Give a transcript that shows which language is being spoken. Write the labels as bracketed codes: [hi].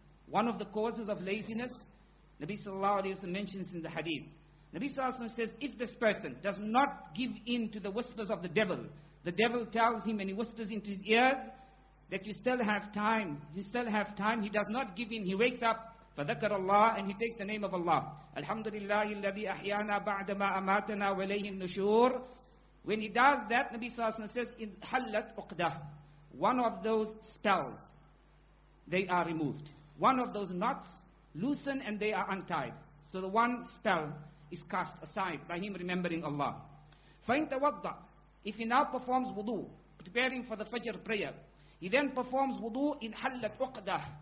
[en] One of the causes of laziness, Nabi sallallahu alayhi wa sallam mentions in the hadith. Nabi sallallahu alayhi wa sallam says, if this person does not give in to the whispers of the devil, the devil tells him and he whispers into his ears that you still have time, you still have time. He does not give in. He wakes up, [ar] فذكر الله, [en] and he takes the name of Allah. [ar] الحمد لله الذي أحيانا بعدما أماتنا وليه النشور. [en] When he does that, Nabi sallallahu alayhi wa sallam says, in [ar] حلت عقدة. [en] One of those spells, they are removed. One of those knots loosen and they are untied. So the one spell is cast aside by him remembering Allah. [ar] فَإِنْ تَوَضَّعْ. [en] If he now performs wudu, preparing for the Fajr prayer, he then performs wudu [ar] in halat uqdah.